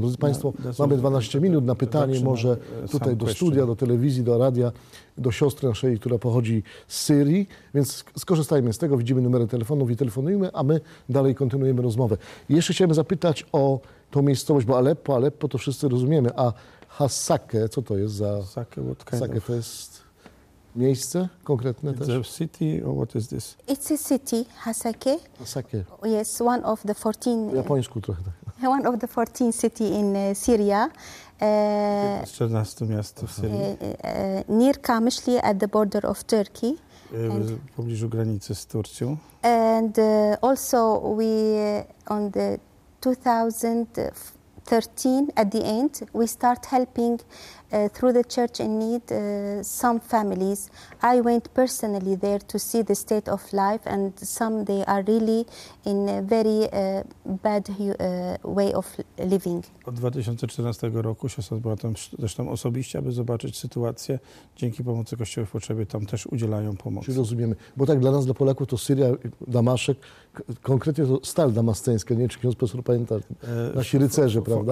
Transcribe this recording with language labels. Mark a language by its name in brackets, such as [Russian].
[Polish] Drodzy Państwo, mamy 12 minut na pytanie, może tutaj do studia, do telewizji, do radia, do siostry naszej, która pochodzi z Syrii, więc skorzystajmy z tego, widzimy numery telefonów i telefonujmy, a my dalej kontynuujemy rozmowę. Jeszcze chciałem zapytać o tą miejscowość, bo Aleppo to wszyscy rozumiemy, a Hasake, co to jest za... Hasake to jest miejsce konkretne [English] it's [Polish] też? [English] It's a city or what is this? It's a city, Hasake. Hasake. Yes, one of the 14... [Polish] W japońsku trochę tak. [English] One of the 14 city in Syria. [Polish] 14 miast w Syrii. [English] Near Kamyshli, at the border of Turkey. [Polish] W pobliżu granicy z Turcją. [English] And also we, on the 2013, at the end, we start helping through the Church in Need some families. I went personally there to see the state of life, and some they are really in a very bad way of living. [Polish] Od 2014 roku siostra była tam zresztą osobiście, aby zobaczyć sytuację. Dzięki pomocy Kościoła w potrzebie tam też udzielają pomoc. Czyli rozumiemy, bo tak dla nas, dla Polaków, to Syria, Damaszek, konkretnie to stal damasceńska, nie wiem, czy ksiądz profesor pamięta, nasi rycerze, prawda?